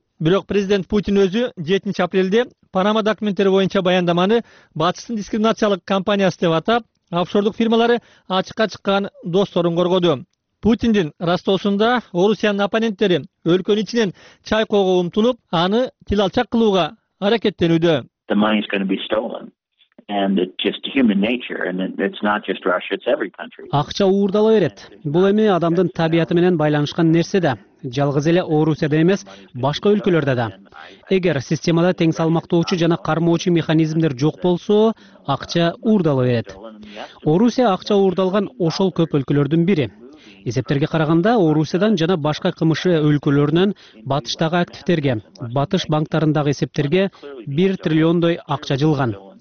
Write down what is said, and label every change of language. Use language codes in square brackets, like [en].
[ky] Бирок президент Путин өзү 7 апрелде Панама документтери боюнча баяндаманы батыштын дискриминациялык компаниясы деп атап, офшордук фирмалары ачыкка чыккан досторун коргоду. Путиндин ростоосунда Орусиянын оппоненттери өлкөнүн ичинен чайкоого умтулуп, аны тил алчак кылууга аракеттенүүдө. [en] The money is going to be stolen. And it's just human nature, and it's not just Russia, it's every country. [ky] Акча уурдала берет. Бул эми адамдын табияты менен байланышкан нерсе да. Жалгыз эле Орусияда эмес, башка өлкөлөрдө да. Эгер системада тең салмактоочу жана кармоочу механизмдер жок болсо, акча уурдала берет. Орусия акча уурдалган ошол көп өлкөлөрдүн бири. Эсептерге караганда Орусиядан жана башка КМШ өлкөлөрүнөн батыштагы активдерге, батыш банктарындагы эсептерге 1 триллиондой акча жылган.